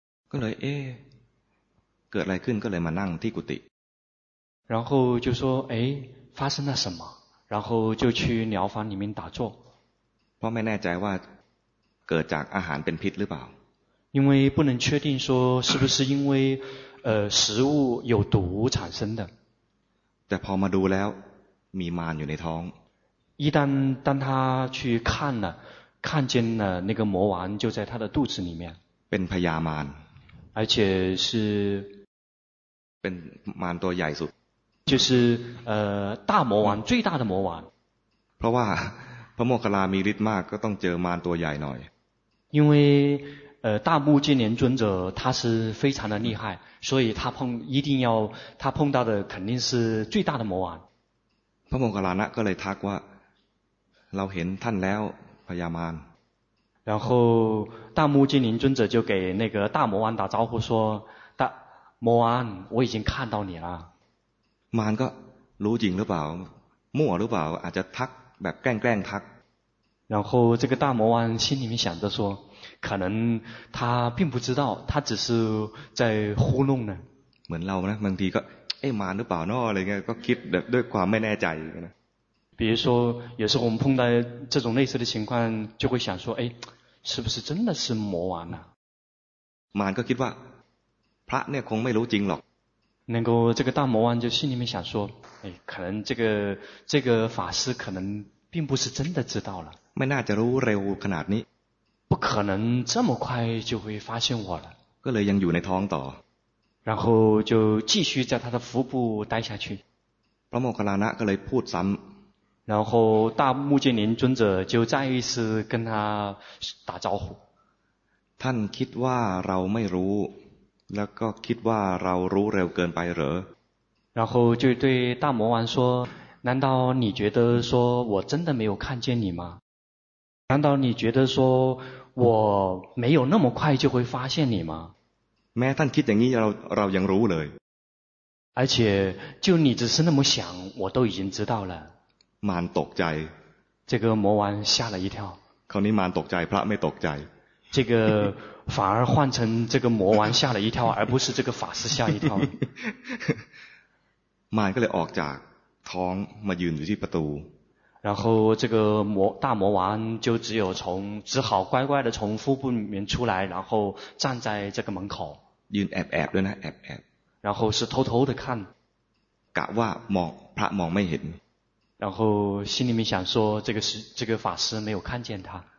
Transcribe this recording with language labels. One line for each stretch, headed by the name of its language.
Thai: ก็เลยเกิดอะไรขึ้นก็เลยมานั่งที่กุฏิ
Chinese: 然后就说发生了什么然后就去疗房里面打坐
Thai: เพราะไม่แน่ใจว่าเกิดจากอาหารเป็นพิษหรือเปล่า
Chinese: 因为不能确定说是不是因为食物有毒产生的
Thai: แต่พอมาดูแล้วมีมารอยู่ในท้อง
Chinese: 一旦当他去看了看见了那个魔王就在他的肚子里面
Thai: เป็นพญามาร
Chinese: 而且是
Thai: เป็นมารตัวใหญ่สุด
Chinese: 就是大魔王最大的魔王
Thai: เพราะว่าพระโมคคัลลามีฤทธิ์มากก็ต้องเจอมารตัวใหญ่หน่อย
Chinese: 因为大目犍连尊者他是非常的厉害所以他碰到的肯定是最大的魔王
Thai: พระโมคคัลลานะก็เลยทักว่าเราเห็นท่านแล้วพญามาร
Chinese: 然后大目犍连尊者就给那个大魔王打招呼说大魔王我已经看到你了
Thai: มารก็รู้จริงหรือเปล่ามั่วหรือเปล่าอาจจะทักแบบแกล้งๆทัก
Chinese: 然后这个大魔王心里面想着说可能他并不知道他只是在糊弄呢
Thai: เหมือนเรานะบางทีก็มารหรือเปล่าเนาะอะไรเงี้ยก็คิดแบบด้วยความไม่แน่ใจนะ
Chinese: 比如说有时候我们碰到这种类似的情况就会想说是不是真的是魔王啊
Thai: มารก็คิดว่าพระเนี่ยคงไม่รู้จริงหรอก
Chinese: 能够这个大魔王就心里面想说，哎，可能这个法师可能并不是真的知道了。
Thai: ไม่น่าจะรู้เร็วขนาดนี้。
Chinese: 不可能这么快就会发现我了。
Thai: ก็เลยยังอยู่ในท้องต่อ。
Chinese: 然后就继续在他的腹部待下去。
Thai: พระโมคคัลลานะก็เลยพูดซ้ำ。
Chinese: 然后大目犍连尊者就再一次跟他打招呼。
Thai: ท่านคิดว่าเราไม่รู้แล้วก็คิดว่าเรารู้เร็วเกินไปเหรอ
Chinese: 然后就对大魔王说难道你觉得说我真的没有看见你吗难道你觉得说我没有那么快就会发现你吗
Thai: แม้ท่านคิดอย่างนี้เรายังรู้เลย
Chinese: 而且就你只是那么想我都已经知道了
Thai: มารตกใจ
Chinese: 这个魔王吓了一跳
Thai: คราวนี้มารตกใจพระไม่ตกใจ
Chinese: 这个反而换成这个魔王吓了一跳而不是这个法师吓一跳马上就
Thai: ออกจากท้องมายืนอยู่ที่ประตู
Chinese: 然后这个大魔王就只好乖乖的从腹部里面出来然后站在这个门口
Thai: ยืนแอบแอบด้วยนะแอบแอบ
Chinese: 然后是偷偷的看
Thai: กะว่ามองพระมองไม่เห็น
Chinese: 然后心里面想说这个法师没有看见他